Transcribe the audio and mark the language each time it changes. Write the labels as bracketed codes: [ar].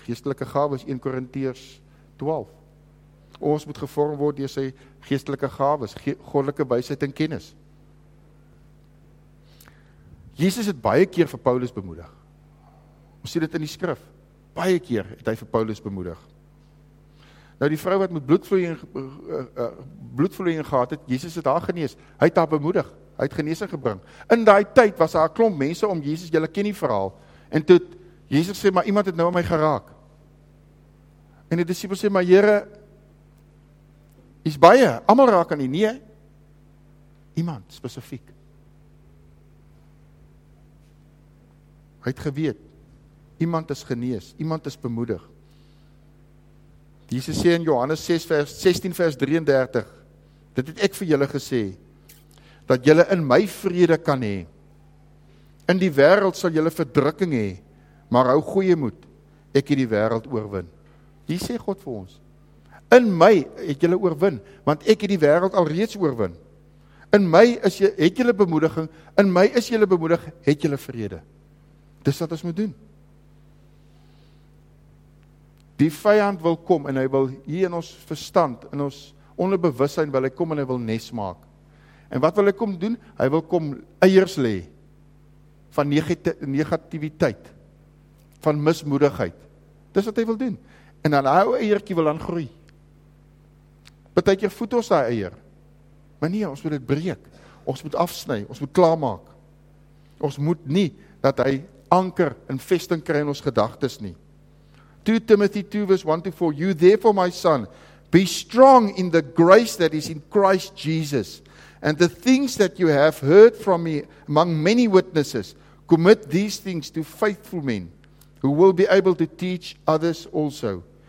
[af] Geestelike gawes, 1 Korintiërs 12. Ons moet gevorm word deur sy geestelike gawes, goddelike wysheid en kennis. Jesus het baie keer vir Paulus bemoedig. Ons sien dit in die skrif. Baie keer het hy vir Paulus bemoedig. Nou die vrou wat met bloedvloeiing gehad het, Jesus het haar genees. Hy het haar bemoedig. Hy het genesing gebring. In daai tyd was daar 'n klomp mense om Jesus, julle ken die verhaal. En toe Jesus sê, maar iemand het nou aan my geraak. En die disippels sê, maar Here, is baie, almal raak aan u. Nee, Iemand spesifiek. Hy het geweet, iemand is genees, iemand is bemoedig. Jesus sê in Johannes 16 vers 33, dit het ek vir julle gesê, dat julle in my vrede kan hê. In die wêreld sal julle verdrukking hê, maar hou goeie moed, ek het die wêreld oorwin. Hier sê God vir ons, in my het julle oorwin, want ek het die wêreld alreeds oorwin. In my is jy, het julle bemoediging, in my is julle bemoedig, het julle vrede. Dis wat ons moet doen. Die vyand wil kom en hy wil hier in ons verstand, in ons onderbewussyn wil hy kom en hy wil nes maak. En wat wil hy kom doen? Hy wil kom eiers lê van negativiteit, van mismoedigheid. Dis wat hy wil doen. En dan hy eiertjie wil dan groei. Partykeer voed ons daai eier. Maar nee, ons moet dit breek. Ons moet afsny, ons moet klaarmaak. Ons moet nie dat hy anker en vesting kry in ons gedagtes nie. [en] 2 Timothy 2 verse 1 to 4, you therefore my son, be strong in the grace that is in Christ Jesus, and the things that you have heard from me among many witnesses, commit these things to faithful men, who will be able to teach others also.